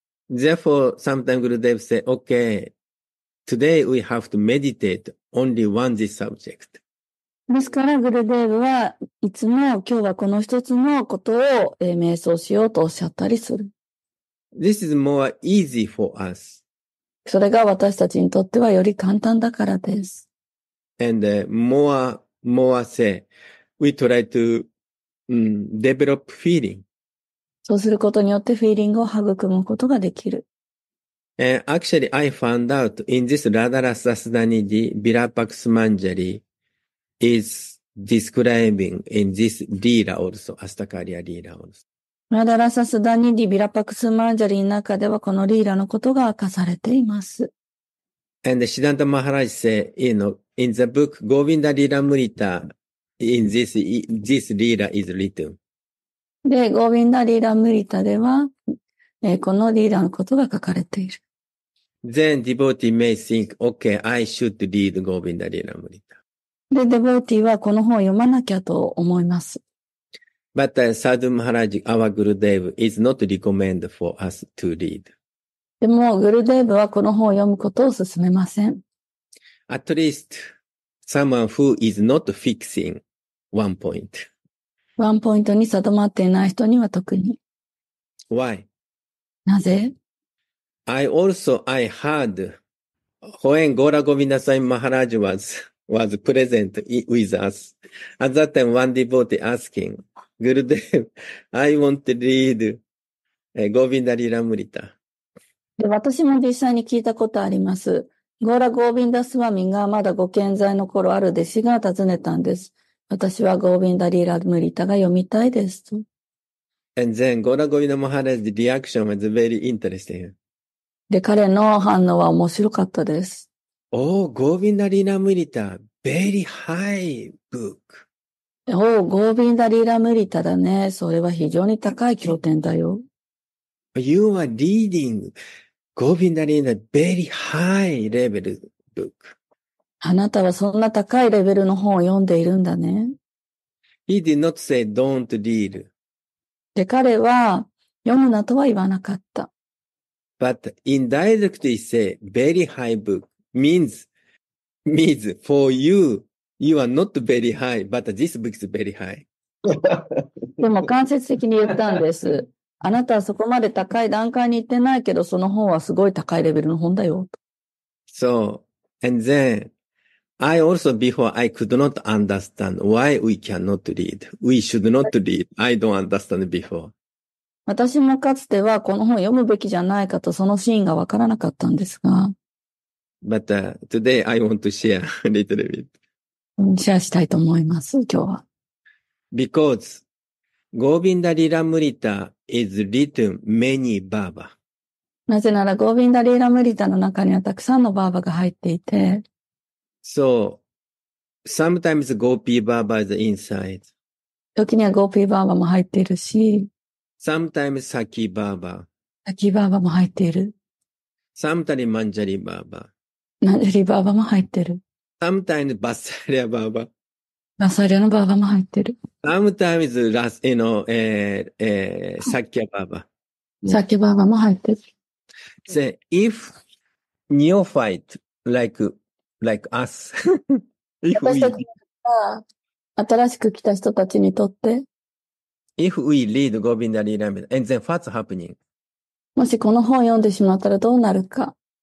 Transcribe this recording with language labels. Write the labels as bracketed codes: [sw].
[en] Therefore, sometimes グルデーブ say, okay, today we have to meditate only one this subject. [ja] ですから、グルデーブはいつも今日はこの一つのことを瞑想しようとおっしゃったりする。 [en] This is more easy for us. [ja] それが私たちにとってはより簡単だからです。 [en] And more say, we try to develop feeling. [ja] そうすることによってフィーリングを育むことができる。 [en] Actually, I found out in this Radharasasdanidhi Virapaksumanjari,is describing in this Lila also, Astakarya Lila also. [ja] Radharasasdanidhi Virapaksumanjari の中ではこのリーラのことが明かされています。 [en] And Siddhanta Maharaj say, you know, in the book Govinda Lila Murita, in this Lila is written. [ja] で、Govinda Lila Murita では、このリーラのことが書かれている。 [en] Then devotee may think, okay, I should read Govinda Lila Murita. [ja] で、デボーティーはこの本を読まなきゃと思います。 [en] But Sadhu Maharaj, our Gurudev, is not recommended for us to read. [ja] でも、グルデーブはこの本を読むことを勧めません。 [en] At least, someone who is not fixing one point. [ja] ワンポイントに定まっていない人には特に。 [en] Why? [ja] なぜ [en] I heard when Gaura Govindasai Maharaj was present with us. At that time, one devotee asking, Gurudev, I want to read Govinda Lilamrita. [ja] で、私も実際に聞いたことあります。ゴーラ・ゴービンダ・スワミがまだご健在の頃ある弟子が訪ねたんです。私はゴービンダ・リーラ・ムリタが読みたいですと。 [en] And then, ゴーラ・ゴービンダ・マハラジ's reaction was very interesting. [ja] で、彼の反応は面白かったです。 [en] Oh, ゴービンダ・リーラ・ムリタ、very high book. [ja] Oh, ゴービンダ・リーラ・ムリタだね。それは非常に高い経典だよ。 [en] You are reading Govinda Lila very high level book. [ja] あなたはそんな高いレベルの本を読んでいるんだね。 [en] He did not say don't read. [ja] で、彼は読むなとは言わなかった。 [en] But indirectly say very high book means for you, you are not very high, but this book is very high. [ja] でも間接的に言ったんです。あなたはそこまで高い段階に行ってないけど、その本はすごい高いレベルの本だよと。 [en] So, and then, I also before I could not understand why we cannot read. We should not read. I don't understand before. [ja] 私もかつてはこの本を読むべきじゃないかとそのシーンがわからなかったんですが。 [en] But, today I want to share a little bit. [ja] シェアしたいと思います、今日は。 [en] Because,ゴービンダリラムリタ is written many Baba. [ja] なぜならゴービンダリラムリタの中にはたくさんのバーバが入っていて。 [en] So, sometimes Gopi Baba is inside. [ja] 時にはゴーピーバーバも入っているし。 [en] Sometimes Saki Baba. [ja] Saki Baba も入っている。 [en] Sometimes Manjari Baba. [ja] Manjari Baba も入っている。 [en] Sometimes Vatsalya Baba. [ja] バサリアのバーバも入ってる。 [en] Sometimes, you know, サッキャバーバ。 [ja] サッキャバーバも入ってる。 [en] So, if neophyte like us, [ja] 私たちが新しく来た人たちにとって、 [en] if we read Govinda Lilamrita, and then what's happening? [ja] もしこの本を読んでしまったらどうなるか。